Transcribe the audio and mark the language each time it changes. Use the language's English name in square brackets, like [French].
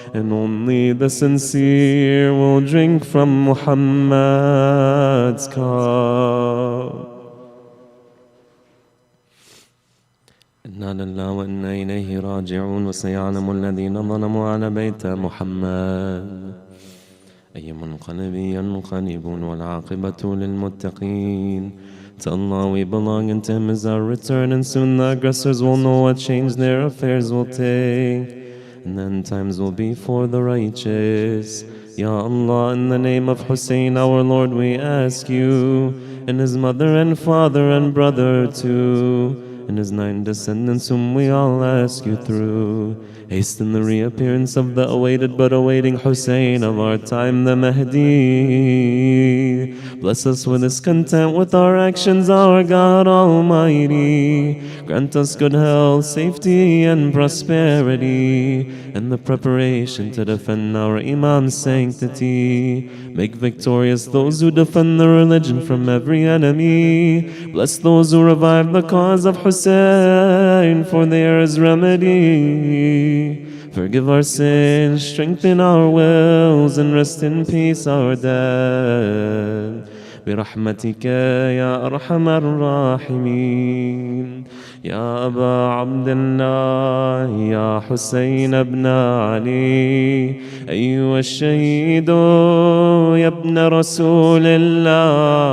[English] And only the sincere will drink from Muhammad's cup. [Arabic] إنا لله وإنا إليه راجعون وسيعلم الذين ظلموا على بيت محمد أي منقلب ينقلبون والعاقبة للمتقين. [English] To Allah we belong and to Him is our return, and soon the aggressors will know what change their affairs will take, and then times will be for the righteous. Ya Allah, in the name of Hussein our Lord we ask you, and his mother and father and brother too, and his nine descendants whom we all ask you through. Hasten the reappearance of the awaited but awaiting Hussein of our time, the Mahdi. Bless us with his content, with our actions, our God Almighty. Grant us good health, safety, and prosperity, and the preparation to defend our Imam's sanctity. Make victorious those who defend the religion from every enemy. Bless those who revive the cause of Hussein, for there is remedy. Forgive our sins, strengthen our wills, and rest in peace our dead. [Arabic] برحمتك يا أرحم الراحمين يا أبا عبد الله يا حسين ابن علي أيها الشهيد يا ابن رسول الله